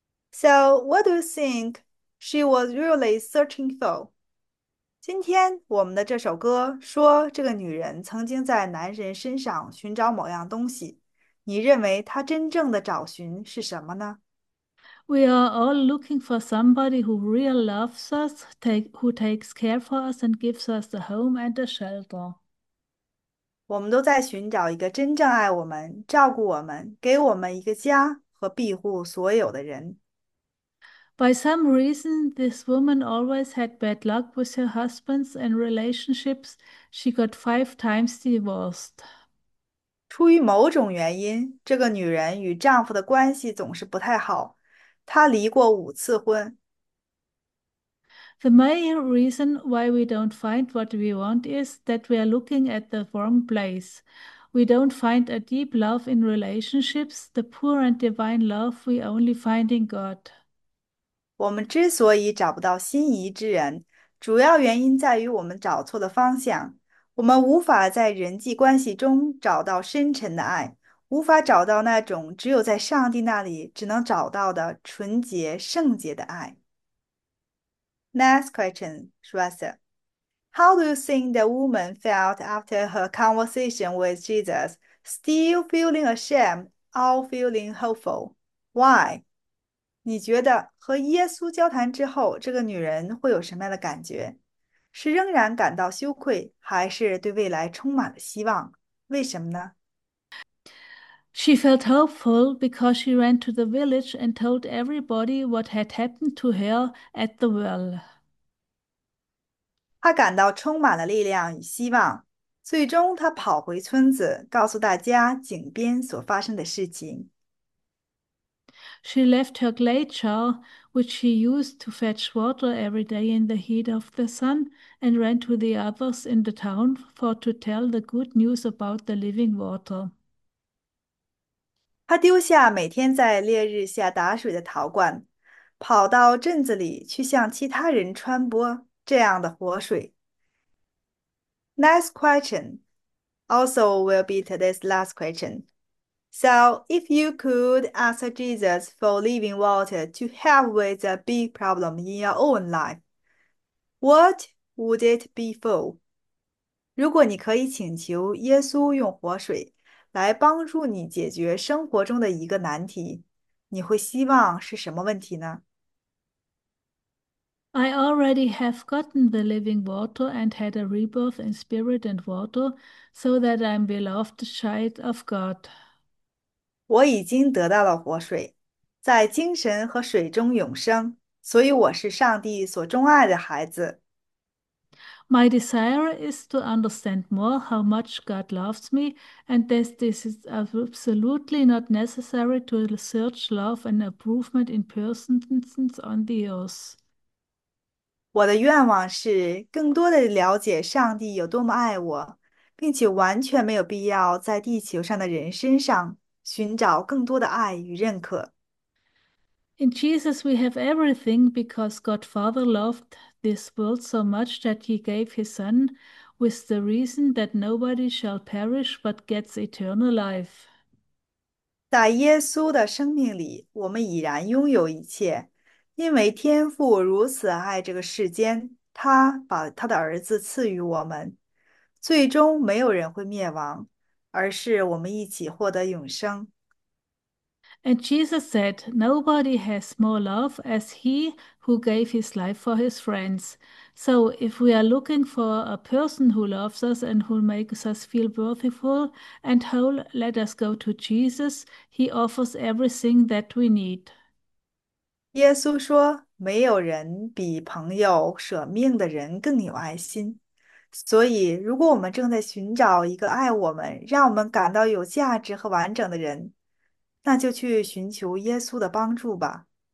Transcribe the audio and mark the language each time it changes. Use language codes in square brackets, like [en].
[en] So, what do you think she was really searching for? [zh] 今天我们的这首歌说，这个女人曾经在男人身上寻找某样东西，你认为她真正的找寻是什么呢？ [en] We are all looking for somebody who really loves us, who takes care for us and gives us a home and a shelter. [zh] 我们都在寻找一个真正爱我们、照顾我们、给我们一个家和庇护所有的人。 [en] By some reason, this woman always had bad luck with her husbands and relationships. She got 5 times divorced. [zh] 出于某种原因，这个女人与丈夫的关系总是不太好，她离过5次婚。 [en] The main reason why we don't find what we want is that we are looking at the wrong place. We don't find a deep love in relationships, the pure and divine love we only find in God. [zh] 我们之所以找不到心仪之人，主要原因在于我们找错了方向。我们无法在人际关系中找到深沉的爱，无法找到那种只有在上帝那里只能找到的纯洁圣洁的爱。 [en] Next question, Shrestha. How do you think the woman felt after her conversation with Jesus, still feeling ashamed or feeling hopeful? Why? [zh] 你觉得和耶稣交谈之后，这个女人会有什么样的感觉？是仍然感到羞愧，还是对未来充满了希望？为什么呢？ [en] She felt hopeful because she ran to the village and told everybody what had happened to her at the well. [zh] 她感到充满了力量与希望，最终她跑回村子，告诉大家井边所发生的事情。 [en] She left her clay jar, which she used to fetch water every day in the heat of the sun, and ran to the others in the town for to tell the good news about the living water. [zh] 他丢下每天在烈日下打水的陶罐，跑到镇子里去向其他人传播这样的活水。 [en] Next question also will be today's last question. So, if you could ask Jesus for living water to help with a big problem in your own life, what would it be for? [zh] 如果你可以请求耶稣用活水来帮助你解决生活中的一个难题，你会希望是什么问题呢？ [en] I already have gotten the living water and had a rebirth in spirit and water, so that I'm beloved child of God. [zh] 我已经得到了活水，在精神和水中永生，所以我是上帝所钟爱的孩子。 [en] My desire is to understand more how much God loves me, and this is absolutely not necessary to search love and improvement in persons on the earth. [zh] 我的愿望是更多的了解上帝有多么爱我，并且完全没有必要在地球上的人身上寻找更多的爱与认可。 [en] In Jesus, we have everything because God Father loved this world so much that he gave his Son with the reason that nobody shall perish but gets eternal life. [zh] 在耶稣的生命里，我们已然拥有一切，因为天父如此爱这个世间，他把他的儿子赐予我们，最终没有人会灭亡，而是我们一起获得永生。 [en] And Jesus said, "Nobody has more love as he who gave his life for his friends." So, if we are looking for a person who loves us and who makes us feel worthful and whole, let us go to Jesus. He offers everything that we need. [zh] 耶稣说："没有人比朋友舍命的人更有爱心。" 所以，如果我们正在寻找一个爱我们、让我们感到有价值和完整的人，那就去寻求耶稣的帮助吧。